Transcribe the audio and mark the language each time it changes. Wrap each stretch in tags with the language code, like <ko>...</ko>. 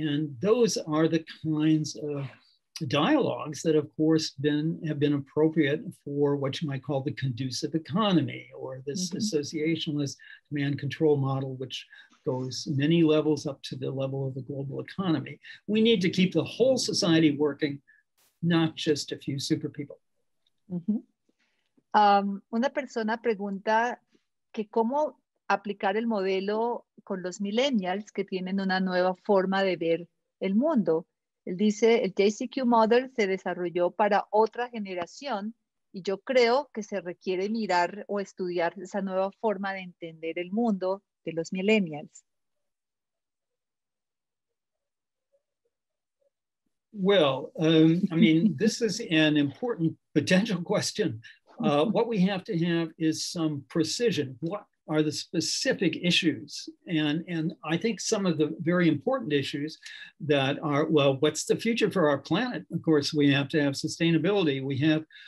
<en>And those are the kinds of dialogues that, of course, have been appropriate for what you might call the conducive economy or this associationalist demand control model, which goes many levels up to the level of the global economy. We need to keep the whole society working, not just a few super people.</en> <es>Una persona pregunta que cómo aplicar el modelo con los millennials que tienen una nueva forma de ver el mundo. Él dice, el JCQ model se desarrolló para otra generación y yo creo que se requiere mirar o estudiar esa nueva forma de entender el mundo de los millennials.</es> <en>Well, I mean, this is an important potential question. What we have is some precision. What are the specific issues? And I think some of the very important issues that are, well, what's the future for our planet? Of course, we have to have sustainability. We have</en>